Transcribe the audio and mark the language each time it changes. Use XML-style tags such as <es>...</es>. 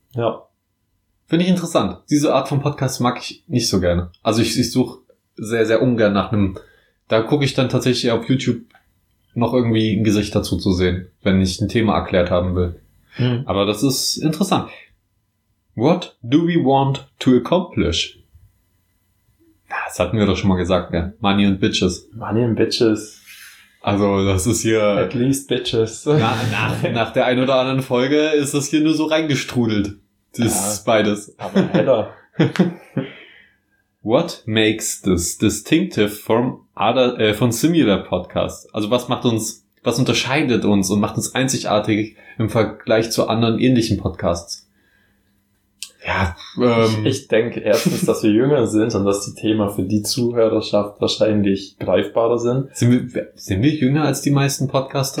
<de>Ja. Finde ich interessant. Diese Art von Podcast mag ich nicht so gerne. Also ich suche sehr, sehr ungern nach einem. Da gucke ich dann tatsächlich auf YouTube noch irgendwie ein Gesicht dazu zu sehen, wenn ich ein Thema erklärt haben will. Mhm. Aber das ist interessant.</de> <en>What do we want to accomplish?</en> <de>Das hatten wir doch schon mal gesagt, ja.</de> <en>Money and Bitches. Money and Bitches.</en> <de>Also das ist hier...</de> <en>At least Bitches.</en> <de>Nach der ein oder anderen Folge ist das hier nur so reingestrudelt. Das ist beides. Aber Heather.</de> <en>What makes this distinctive from other, von similar podcasts?</en> <de>Also was macht uns, was unterscheidet uns und macht uns einzigartig im Vergleich zu anderen ähnlichen Podcasts? Ja, ich denke erstens, dass wir jünger sind und dass die Themen für die Zuhörerschaft wahrscheinlich greifbarer sind. Sind wir jünger als die meisten Podcaster?</de>